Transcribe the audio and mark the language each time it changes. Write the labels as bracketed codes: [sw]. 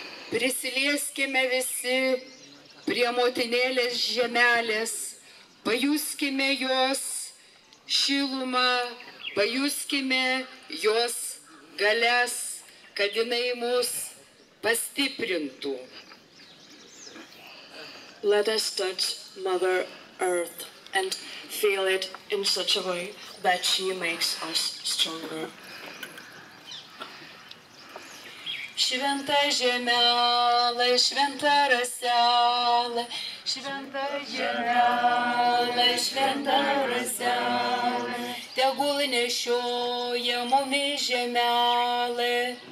[lt] Prisilieskime visi prie motinėlės žemelės, pajuskime jos šilumą, pajuskime jos galias, kad jinai mus pastiprintų. [en] Let us touch Mother Earth and feel it in such a way that she makes us stronger. [lt] Šventa žemelė, šventa raselė, šventa žemelė, šventa raselė, tegul nešioja mumi žemelė,